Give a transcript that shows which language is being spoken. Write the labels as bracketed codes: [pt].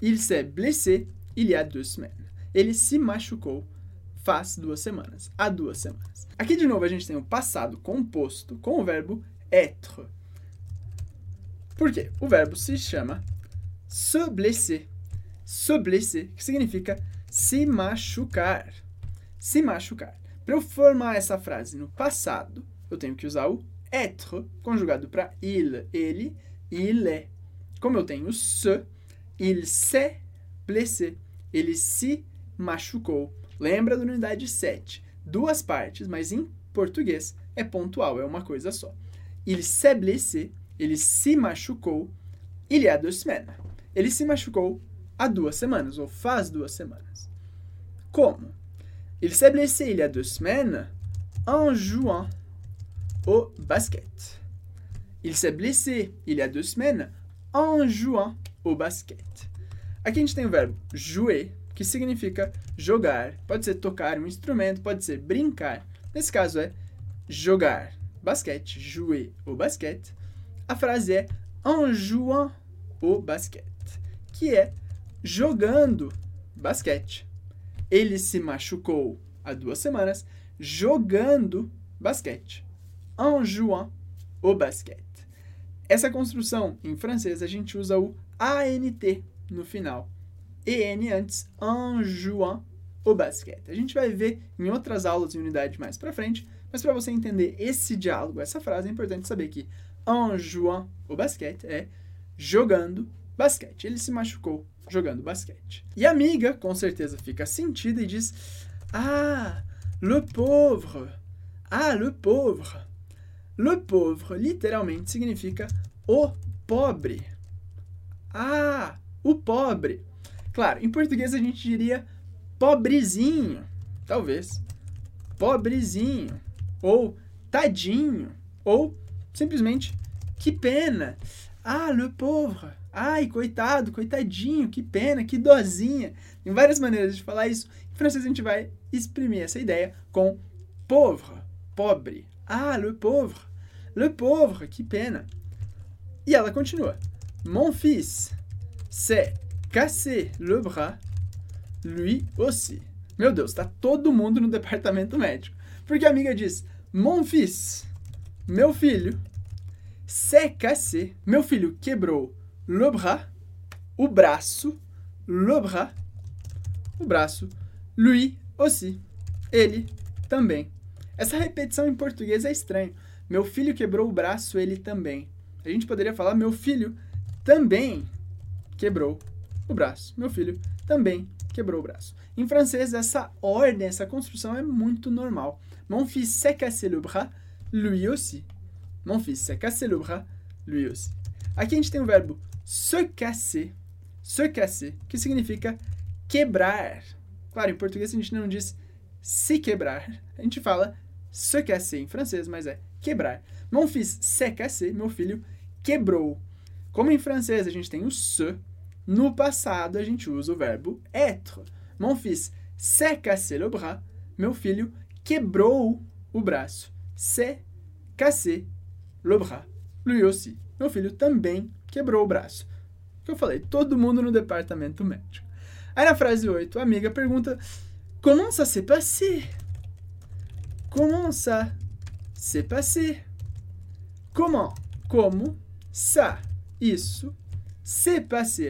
[fr] Il s'est blessé, il y a deux semaines. [pt] Ele se machucou, faz duas semanas, há duas semanas. Aqui de novo a gente tem o passado composto com o verbo être. Por quê? O verbo se chama se blesser. Se blesser, que significa se machucar. Se machucar. Para eu formar essa frase no passado, eu tenho que usar o être, conjugado para il, ele, il est. Como eu tenho se, [fr] il s'est blessé, [pt] ele se machucou. Lembra da unidade 7? Duas partes, mas em português é pontual, é uma coisa só. [fr] Il s'est blessé, [pt] ele se machucou, [fr] il y a deux semaines. [pt] Ele se machucou há duas semanas, ou faz duas semanas. Como? [fr] Il s'est blessé il y a deux semaines en jouant au basket. Il s'est blessé il y a deux semaines en jouant au basket. [pt] Aqui a gente tem o verbo jouer, que significa jogar. Pode ser tocar um instrumento, pode ser brincar. Nesse caso é jogar basquete, [fr] jouer au basket. [pt] A frase é [fr] en jouant au basket, [pt] que é jogando basquete. Ele se machucou há duas semanas jogando basquete. [fr] En jouant au basket. [pt] Essa construção em francês a gente usa o ANT no final. [fr] EN [pt] antes, [fr] en jouant au basket. [pt] A gente vai ver em outras aulas em unidade mais pra frente, mas para você entender esse diálogo, essa frase, é importante saber que [fr] en jouant au basket [pt] é jogando basquete. Ele se machucou jogando basquete. E a amiga, com certeza, fica sentida e diz: [fr] ah, le pauvre! Ah, le pauvre! Le pauvre, [pt] literalmente, significa o pobre. Ah, o pobre. Claro, em português a gente diria pobrezinho, talvez. Pobrezinho. Ou tadinho. Ou, simplesmente, que pena. [fr] Ah, le pauvre. [pt] Ai, coitado, coitadinho, que pena, que dozinha. Tem várias maneiras de falar isso. Em francês a gente vai exprimir essa ideia com pauvre, pobre. [fr] Ah, le pauvre. Le pauvre, [pt] que pena. E ela continua. [fr] Mon fils s'est cassé le bras, lui aussi. [pt] Meu Deus, tá todo mundo no departamento médico. Porque a amiga diz: [fr] mon fils, [pt] meu filho, [fr] s'est cassé, [pt] meu filho quebrou [fr] le bras, [pt] o braço, le bras, o braço, [fr] lui aussi, [pt] ele também. Essa repetição em português é estranha. Meu filho quebrou o braço, ele também. A gente poderia falar: meu filho também quebrou o braço. Meu filho também quebrou o braço. Em francês, essa ordem, essa construção é muito normal. [fr] Mon fils s'est cassé le bras, lui aussi. Mon fils s'est cassé le bras, lui aussi. [pt] Aqui a gente tem o verbo se casser, que significa quebrar. Claro, em português a gente não diz se quebrar. A gente fala se casser em francês, mas é quebrar. [fr] Mon fils s'est cassé, [pt] meu filho quebrou. Como em francês a gente tem o se, no passado a gente usa o verbo être. [fr] Mon fils s'est cassé le bras, [pt] meu filho quebrou o braço. [fr] S'est cassé le bras, lui aussi. [pt] Meu filho também quebrou o braço. O que eu falei? Todo mundo no departamento médico. Aí na frase 8, a amiga pergunta: [fr] comment ça s'est passé? Comment ça s'est passé? Comment? [pt] Como? [fr] Ça? [pt] Isso? [fr] S'est passé?